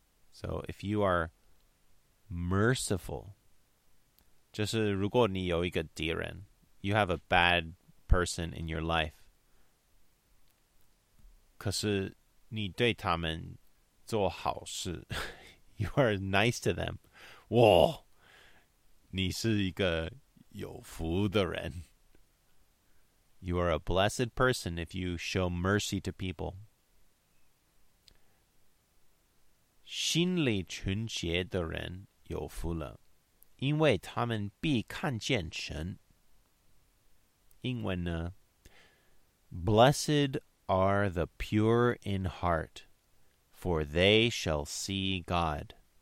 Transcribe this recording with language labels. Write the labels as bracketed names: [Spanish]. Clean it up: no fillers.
[English] So if you are merciful, [Chinese] 就是如果你有一个敌人, [English] you have a bad person in your life, [Chinese] 可是你对他们做好事, [English] you are nice to them, [Chinese] 哇, 你是一个有福的人。 [English] You are a blessed person if you show mercy to people. [Chinese] 心里纯洁的人有福了，因为他们必看见神。英文呢? [English] Blessed are the pure in heart, for they shall see God.